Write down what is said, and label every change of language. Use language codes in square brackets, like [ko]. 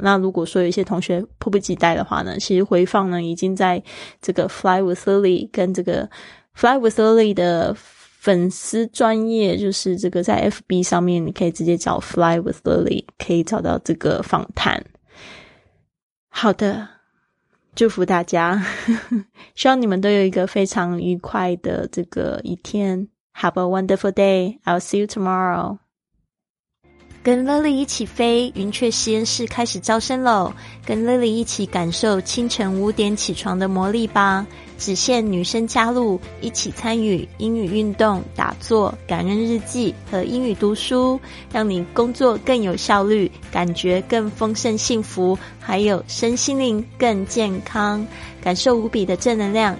[zh] 那如果说有一些同学迫不及待的话呢，其实回放呢已经在这个 Fly with Lily 跟这个 Fly with Lily 的粉丝专页，就是这个在 FB 上面你可以直接找 Fly with Lily 可以找到这个访谈。好的，祝福大家，希望你们都有一个非常愉快的这个一天。 [en] Have a wonderful day, I'll see you tomorrow. [zh] 跟 Lily 一起飞，云雀实验室开始招生咯，跟 Lily 一起感受清晨五点起床的魔力吧，只限女生加入，一起参与英语运动、打坐、感恩日记和英语读书，让你工作更有效率，感觉更丰盛幸福，还有身心灵更健康，感受无比的正能量。